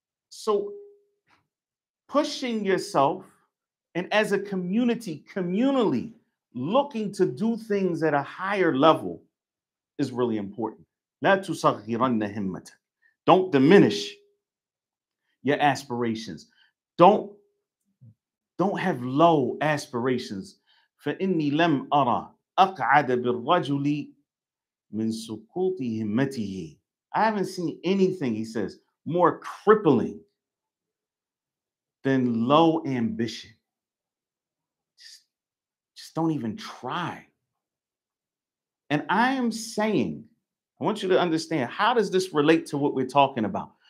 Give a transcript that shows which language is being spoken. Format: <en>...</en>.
<en>So pushing yourself, and as a community, communally looking to do things at a higher level is really important.</en> <ar>لا تصغرن همتك.</ar> <en>Don't diminish your aspirations. Don't have low aspirations.</en> <ar>فإني لم أرى أقعد بالرجل من سقوط همته.</ar> <en>I haven't seen anything, he says, more crippling than low ambition. don't even try. And I am saying, I want you to understand, how does this relate to what we're talking about?</en>